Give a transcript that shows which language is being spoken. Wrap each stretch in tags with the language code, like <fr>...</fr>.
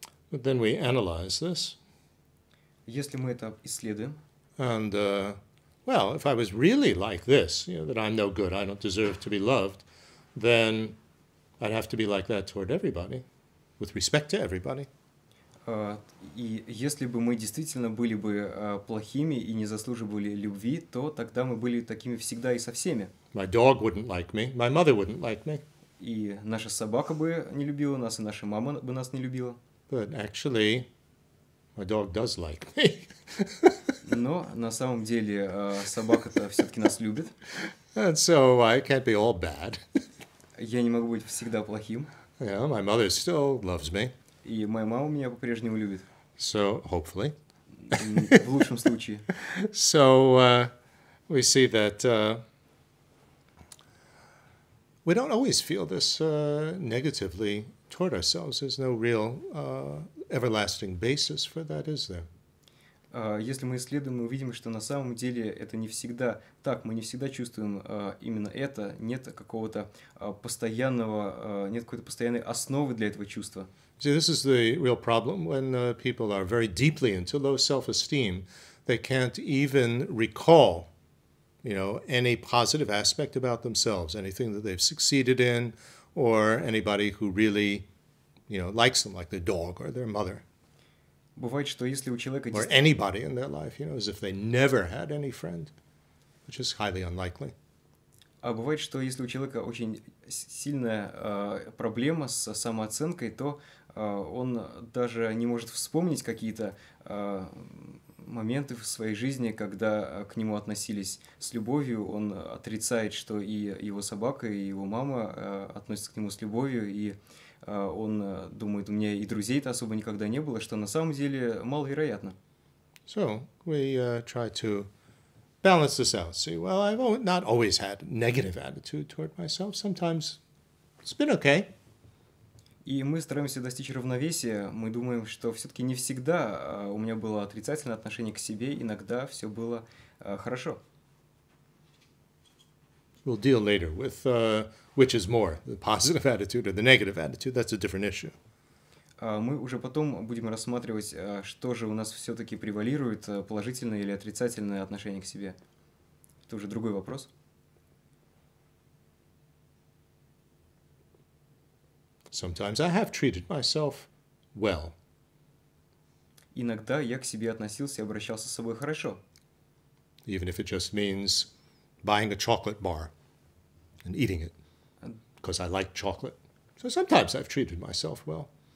<en>But then we analyze this.</en> <ru>Если мы это исследуем.</ru> <en>And well, if I was really like this, you know, that I'm no good, I don't deserve to be loved, then I'd have to be like that toward everybody, with respect to everybody.</en> <ru>И если бы мы действительно были бы плохими и не заслуживали любви, то тогда мы были такими всегда и со всеми.</ru> <en>My dog wouldn't like me. My mother wouldn't like me.</en> <ru>И наша собака бы не любила нас, и наша мама бы нас не любила.</ru> <en>But actually, my dog does like me.</en> <ru>Но на самом деле собака-то все-таки нас любит.</ru> <en>And so I can't be all bad.</en> <ru>Я не могу быть всегда плохим.</ru> <en>Yeah, my mother still loves me.</en> <ru>И моя мама меня по-прежнему любит.</ru> <en>So hopefully.</en> <ru>В лучшем случае.</ru> <en>So we see that we don't always feel this negatively toward ourselves. There's no real everlasting basis for that, is there?</en> <ru>Если мы исследуем, мы увидим, что на самом деле это не всегда так. Мы не всегда чувствуем именно это. Нет какого-то постоянного, нет какой-то постоянной основы для этого чувства.</ru> <en>See, this is the real problem when people are very deeply into low self-esteem. They can't even recall, you know, any positive aspect about themselves, anything that they've succeeded in, or anybody who really, you know, likes them, like their dog or their mother.</en> <ru>Бывает, что если у человека</ru> <en>or anybody in their life, you know, as if they never had any friend, which is highly unlikely.</en> <ru>А бывает, что если у человека очень сильная проблема с самооценкой, то он даже не может вспомнить какие-то моменты в своей жизни, когда к нему относились с любовью, он отрицает, что и его собака, и его мама относятся к нему с любовью, и он думает, у меня и друзей-то особо никогда не было, что на самом деле маловероятно.</ru> <en>So we try to balance this out. See, well, I've not always had a negative attitude toward myself. Sometimes it's been okay.</en> <ru>И мы стараемся достичь равновесия. Мы думаем, что все-таки не всегда у меня было отрицательное отношение к себе. Иногда все было хорошо.</ru> <en>We'll deal later with which is more, the positive attitude or the negative attitude. That's a different issue.</en> <ru>Мы уже потом будем рассматривать, что же у нас все-таки превалирует, положительное или отрицательное отношение к себе. Это уже другой вопрос.</ru> <en>Sometimes I have treated myself well.</en> <ru>Иногда я к себе относился и обращался с собой хорошо.</ru> <en>Even if it just means buying a chocolate bar and eating it, because I like chocolate. So sometimes I've treated myself well.</en>